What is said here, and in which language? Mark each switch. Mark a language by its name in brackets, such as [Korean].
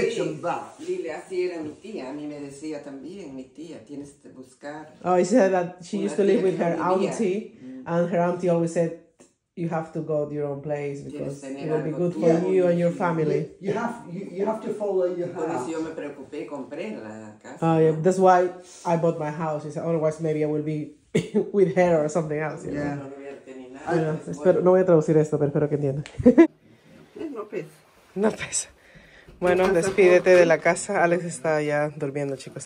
[Spanish] Lily, así era mi tía. A mí me decía también, mi tía, tienes que buscar. [English] Oh, he said that she used to live with her auntie, and her auntie always said, "You have to go to your own place because it will be good for you and your family." You have to follow your heart. [Spanish] Por eso yo me preocupé, compré la casa. [English] Oh, yeah. That's why I bought my house. Said, otherwise, maybe I will be with her or something else. Yeah. [Spanish] Bueno, espero, no voy a traducir esto, pero espero que entienda. No pesa. No pesa. Bueno, despídete de la casa. Alex está ya durmiendo, chicos.